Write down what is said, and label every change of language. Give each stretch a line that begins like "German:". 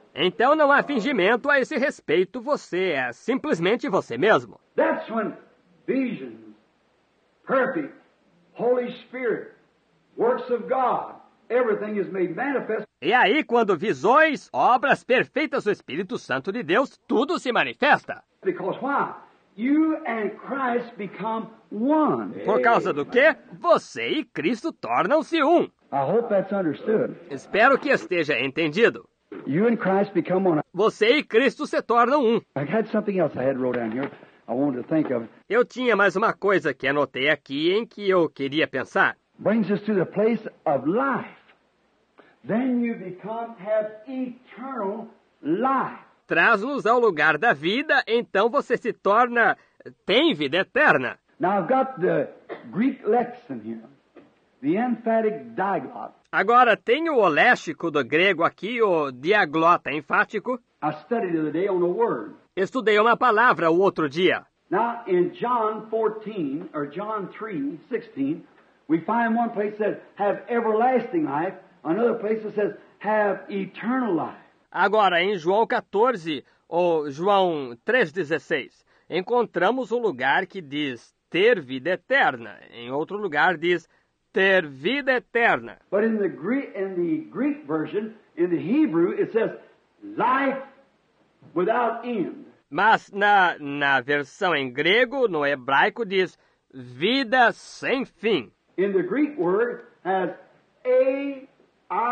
Portuguese: Então não há fingimento a esse respeito. Você é simplesmente você mesmo.
English: That's when visions, perfect, Holy Spirit, works of God. Everything is made manifest.
Portuguese: E aí, quando visões, obras perfeitas do Espírito Santo de Deus, tudo se manifesta.
English: Because why? You and Christ become one.
Portuguese: Por causa do quê? Você e Cristo tornam-se
English: I hope that's understood.
Portuguese: Espero que esteja entendido.
English: You and Christ become one.
Portuguese: Você e Cristo se tornam
English: I had something else I had wrote down here. I wanted to think of.
Portuguese: Eu tinha mais uma coisa que anotei aqui em que eu queria pensar.
English: Brings us to the place of life. Then you become have eternal life.
Portuguese: Traz-nos ao lugar da vida, então você se torna tem vida eterna.
English: Now I've got the Greek lexicon here, the emphatic diglot.
Portuguese: Agora tenho o léxico do grego aqui, o diaglota enfático.
English: I studied the other day on a word.
Portuguese: Estudei uma palavra o outro dia.
English: Now in John 14 or John 3:16. We find one place that says, have everlasting life. Another place that says, have eternal life.
Portuguese: Agora, em João 14, ou João 3:16, encontramos um lugar que diz ter vida eterna. Em outro lugar diz ter vida eterna.
English: But in the Greek version, in the Hebrew, it says life without end.
Portuguese: Mas na versão em grego, no hebraico, diz vida sem fim.
English: In the Greek word has A-I-N-I-O-A-N.